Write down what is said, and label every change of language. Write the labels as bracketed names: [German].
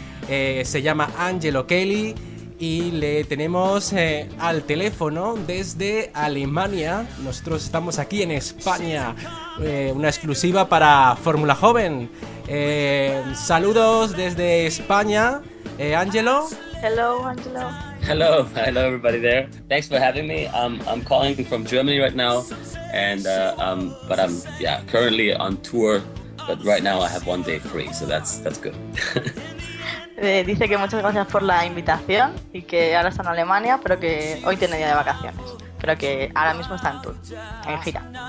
[Spanish] Se llama Angelo Kelly y le tenemos al teléfono desde Alemania. Nosotros estamos aquí en España, una exclusiva para Fórmula Joven. Saludos desde España, Angelo. [English] Hello, Angelo. Hello, everybody there. Thanks for having me. I'm calling from Germany right now, and but I'm currently on tour, but right now I have one day free, so that's good. [Spanish] Dice que muchas gracias por la invitación y que ahora está en Alemania, pero que hoy tiene día de vacaciones. Pero que ahora mismo está en tour, en gira.